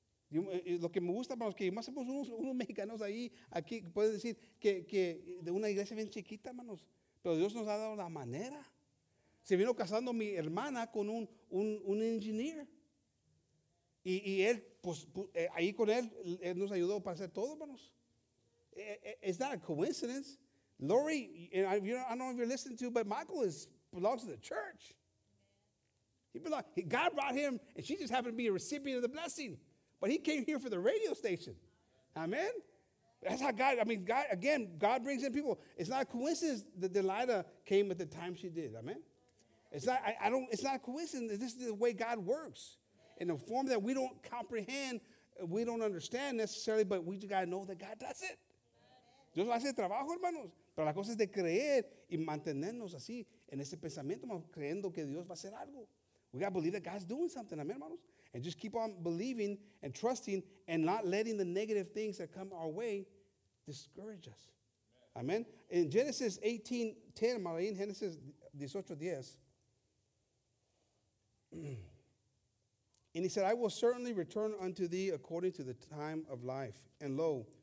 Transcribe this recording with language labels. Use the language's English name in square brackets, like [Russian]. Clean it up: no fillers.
[Spanish] Lo que me gusta, hermanos, que más somos unos mexicanos ahí, aquí, puede decir que de una iglesia bien chiquita, hermanos. Pero Dios nos ha dado la manera. Se vino casando mi hermana con un engineer. Y él, pues ahí con él nos ayudó para hacer todo, hermanos. [English] It's not a coincidence. Lori, I don't know if you're listening to, but Michael belongs to the church. God brought him, and she just happened to be a recipient of the blessing. But he came here for the radio station. Amen. That's how God brings in people. It's not a coincidence that Delilah came at the time she did. Amen. It's not, it's not a coincidence. This is the way God works in a form that we don't comprehend, we don't understand necessarily, but we just got to know that God does it. [Spanish] Dios hace el trabajo, hermanos. Pero la cosa es de creer y mantenernos así en ese pensamiento, creyendo que Dios va a hacer algo. [English] We got to believe that God's doing something. Amen, hermanos. And just keep on believing and trusting and not letting the negative things that come our way discourage us. Amen. In Genesis 18:10, in Genesis 18:10, and he said, I will certainly return unto thee according to the time of life. And lo,